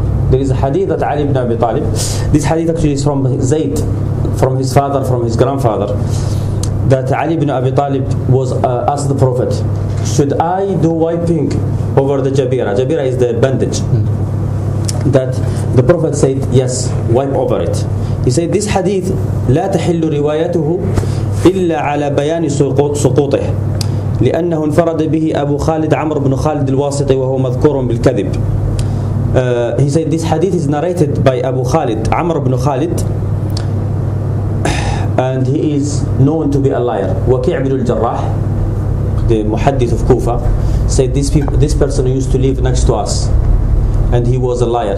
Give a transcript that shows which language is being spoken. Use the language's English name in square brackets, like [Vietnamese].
[English] There is a hadith that Ali ibn Abi Talib, this hadith actually is from Zayd, from his father, from his grandfather, that Ali ibn Abi Talib was asked the Prophet, should I do wiping over the Jabira? Jabira is the bandage. That the Prophet said, yes, wipe over it. He said, this hadith, [Arabic] لا تحل روايته إلا على بيان سقوطه لأنه انفرد به أبو خالد عمرو بن خالد الواسطي وهو مذكور بالكذب. [English] He said, this hadith is narrated by Abu Khalid, عمرو بن خالد, and he is known to be a liar. وكيع بن الجراح, the muhaddith of Kufa, said this person used to live next to us, and he was a liar.